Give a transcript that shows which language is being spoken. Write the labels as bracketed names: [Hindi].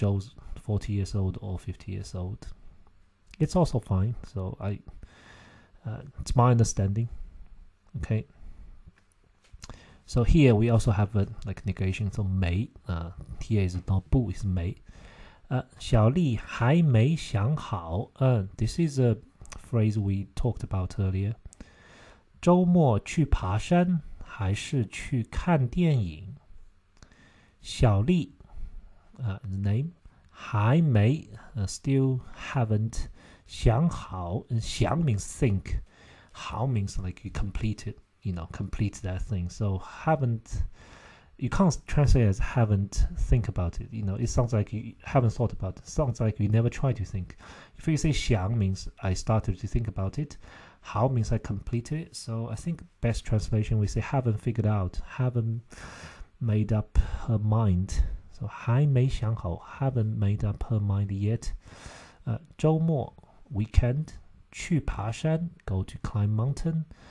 [English] Joe's 40 years old or 50 years oldIt's also fine, so it's my understanding, okay? So here we also have a like, negation, so 没, here is not 不, it's 没. [Chinese] 小丽还没想好, [English] this is a phrase we talked about earlier. [Chinese] 周末去爬山还是去看电影? [English] 小丽, the name, [Chinese] 还没, [English] still haven't,想好 想 means think 好 means like you completed you know complete that thing so haven't you can't translate as haven't think about it you know it sounds like you haven't thought about it sounds like you never tried to think if you say 想 means I started to think about it 好 means I completed it so I think best translation we say haven't figured out haven't made up her mind so [Chinese] 还没想好 [English] haven't made up her mind yet 周末Weekend, [Chinese] 去爬山, [English] go to climb mountain,